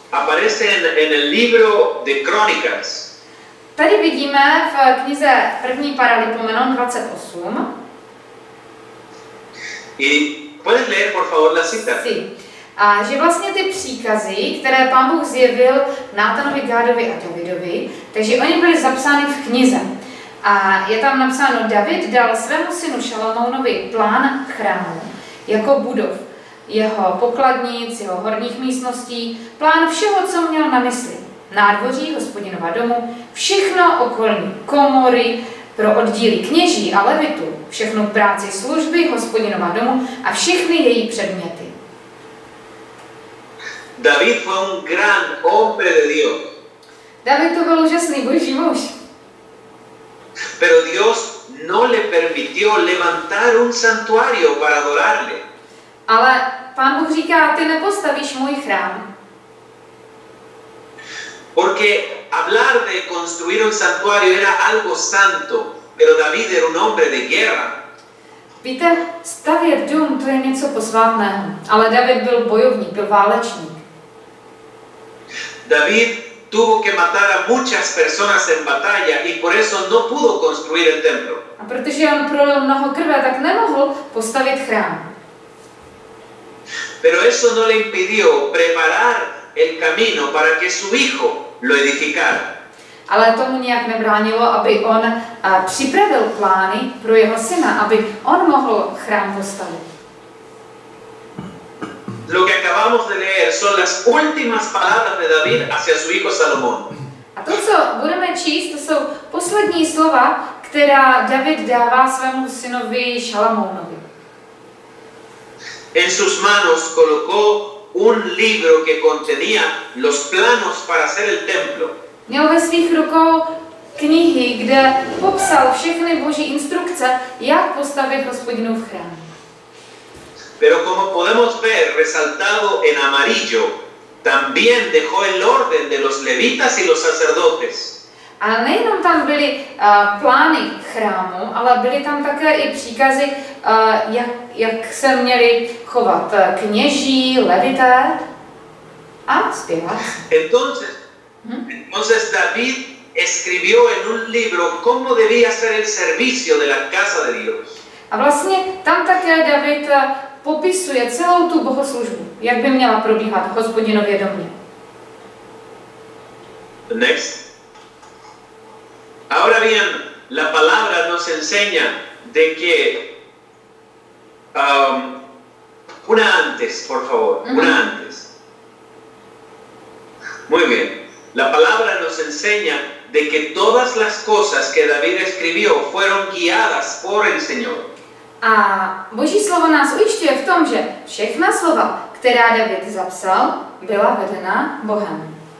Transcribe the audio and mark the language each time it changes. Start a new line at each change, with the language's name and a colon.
Spanish: Aparecen en el libro de Crónicas.
Czech: Tady vidíme v knize první Paralipomenon 28.
Spanish: Y puedes leer, por favor, la cita. Sí.
Czech: A že vlastně ty příkazy, které Pán Bůh zjevil Nátanovi, Gádovi a Davidovi, takže oni byly zapsány v knize. A je tam napsáno, David dal svému synu Šalamounovi plán chrámu jako budov, jeho pokladnic, jeho horních místností, plán všeho, co měl na mysli, nádvoří Hospodinova domu, všechno okolní, komory pro oddíly kněží a levitu, všechno práci služby Hospodinova domu a všechny její předměty.
Spanish: David fue un gran hombre de Dios.
Czech: David to byl úžasný boží muž.
Spanish: Pero Dios no le permitió levantar un santuario para adorarle.
Czech: Ale Pán Bůh říká, ty nepostavíš můj chrám.
Spanish: Porque hablar de construir un santuario era algo santo, pero David era un hombre de guerra.
Czech: Víte, stavět dům, to je něco posvátného, ale David byl bojovník, byl válečník.
Spanish: David tuvo que matar a muchas personas en batalla y por eso no pudo construir el templo.
Czech: A protože on prolil mnoho krve, tak nemohl postavit chrám.
Spanish: Pero eso no le impidió preparar el camino para que su hijo lo edificara.
Czech: Ale tomu nijak nebránilo, aby on připravil plány pro jeho syna, aby on mohl chrám postavit.
Spanish: Lo que acabamos de leer son las últimas palabras de David hacia su hijo Salomón.
Czech: A to, co budeme číst, to jsou poslední slova, která David dává svému synovi Šalamounovi.
Spanish: En sus manos colocó un libro que contenía los planos para hacer el templo.
Czech: Měl ve svých rukou knihy, kde popsal všechny boží instrukce, jak postavit Hospodinův chrám.
Spanish: Pero como podemos ver resaltado en amarillo, también dejó el orden de los levitas y los sacerdotes.
Czech: A nejenom tam byly plány chrámu, ale byly tam také i příkazy, jak se měli chovat kněží, levité a zpěvat.
Spanish: Entonces David escribió en un libro cómo debía ser el servicio de la casa de Dios.
Czech: A vlastně tam také David popisuje celou tu bohoslužbu, jak by měla probíhat v Hospodinově domě.
English: Next.
Spanish: Ahora bien, la palabra nos enseña de que una antes, por favor, una antes. Muy bien. La palabra nos enseña de que todas las cosas que David escribió fueron guiadas por el Señor.
Czech: A Boží slovo nás ujišťuje v tom, že všechna slova, která David zapsal, byla vedena Bohem.